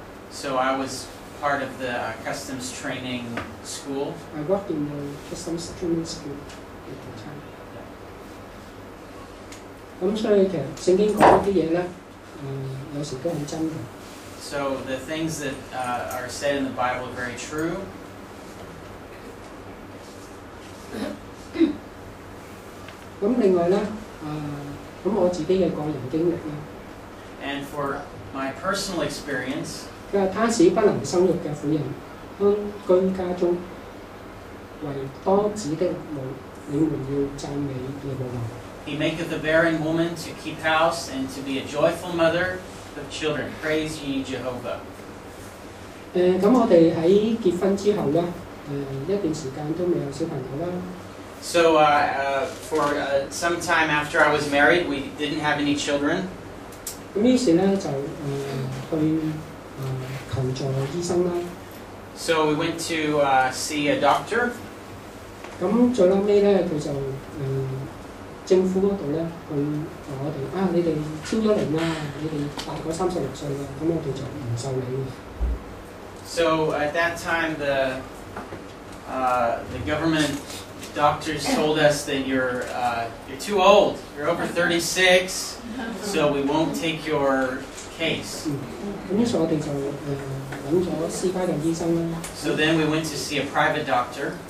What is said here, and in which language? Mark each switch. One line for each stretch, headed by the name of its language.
English: So I was part of the customs training school. I worked in the customs training school at the time.
Cantonese: 咁所以其實聖經講啲嘢咧，有時都係真嘅。
English: So the things that are said in the Bible are very true.
Cantonese: 咁另外咧，咁我自己嘅個人經歷咧。
English: And for my personal experience.
Cantonese: 他使不能生育的婦人安居家中，為多子的母，你們要讚美耶和華。
English: He maketh the barren woman to keep house and to be a joyful mother of children. Praise ye Jehovah.
Cantonese: 咁我哋喺結婚之後咧，一段時間都未有小朋友啦。
English: So for some time after I was married, we didn't have any children.
Cantonese: 咁於是咧就去求助醫生啦。
English: So we went to see a doctor.
Cantonese: 咁最後尾咧，佢就政府嗰度咧，佢話我哋啊，你哋超咗齡啦，你哋大過36歲啦，咁我哋就唔受理。
English: So at that time, the government doctors told us that you're too old. You're over 36, so we won't take your case.
Cantonese: 咁於是我哋就揾咗私家嘅醫生啦。
English: So then we went to see a private doctor.